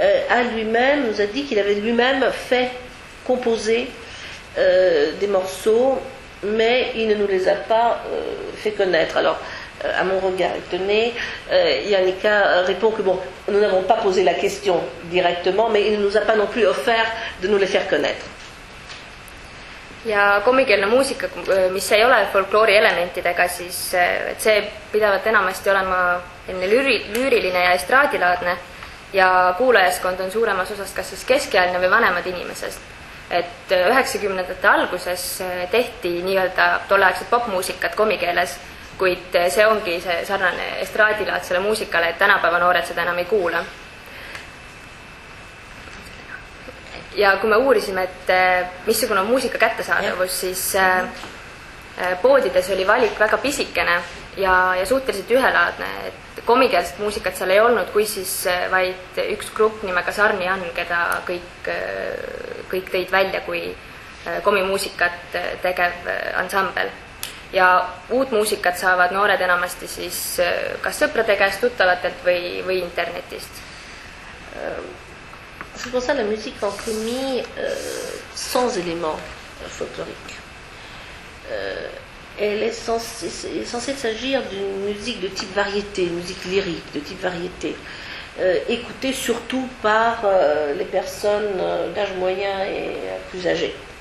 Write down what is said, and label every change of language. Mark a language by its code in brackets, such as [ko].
[fr] à lui-même, nous a dit qu'il avait lui-même fait composer des morceaux, mais il ne nous les a pas fait connaître. Alors, à mon regard étonné, Yannicka répond que bon, nous n'avons pas posé la question directement, mais il ne nous a pas non plus offert de nous les faire connaître. [et] Ja komikeelne muusika, mis ei ole folkloori elementidega, siis see pidavad enamasti olema enne lüüriline ja estraadilaadne ja kuulajaskond on suuremas osas kas siis keskealine või vanemad inimesed. Et 90-ndate alguses tehti nii-öelda tolleaegset popmuusikat komikeeles, kuid see ongi see sarnane estraadilaadsele muusikale, et tänapäeva noored seda enam ei kuule. Ja kui me uurisime, et missugune on muusika kättesaadavus, siis poodides oli valik väga pisikene ja suhteliselt ühelaadne. Et komikeelset muusikat seal ei olnud, kui siis vaid üks grupp nimega Sarni on, keda kõik tõid välja kui komimuusikat tegev ansambel. Ja uut muusikat saavad noored enamasti siis kas sõprade käest, tuttavatelt või internetist. [fr] C'est pour ça la musique en commis sans éléments folkloriques. Elle est censée s'agir d'une musique de type variété, une musique lyrique de type variété, écoutée surtout par les personnes d'âge moyen et plus âgées.